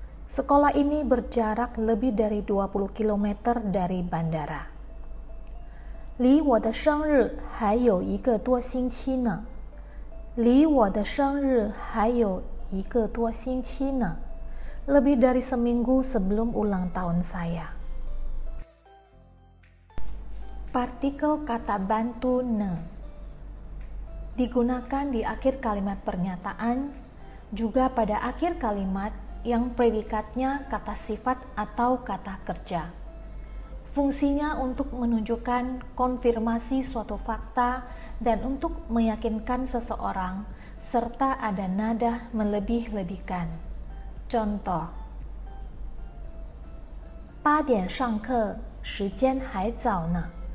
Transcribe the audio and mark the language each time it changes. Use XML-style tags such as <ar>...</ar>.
<id>Sekolah ini berjarak lebih dari 20 km dari bandara.</id> <zh>离我的生日还有一个多星期呢. 离我的生日还有一个多星期呢.</zh> <id>Lebih dari seminggu sebelum ulang tahun saya. Partikel kata bantu ne digunakan di akhir kalimat pernyataan, juga pada akhir kalimat yang predikatnya kata sifat atau kata kerja. Fungsinya untuk menunjukkan konfirmasi suatu fakta dan untuk meyakinkan seseorang, serta ada nada melebih-lebihkan.</id> <zh>Contoh, 8点上课时间还早呢.</zh>